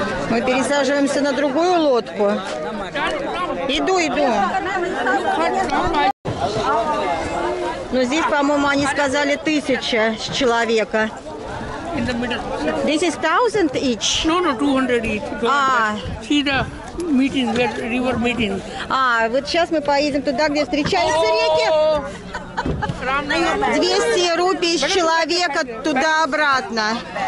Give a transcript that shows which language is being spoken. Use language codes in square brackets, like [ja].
[ru] Мы пересаживаемся на другую лодку. Иду. Но здесь, по-моему, они сказали 1000 с человека. [en] This is 1000 each? No, 200 each. See the meeting, the river meeting. [ru] А, вот сейчас мы поедем туда, где встречаются реки. 200 рупий с человека туда-обратно.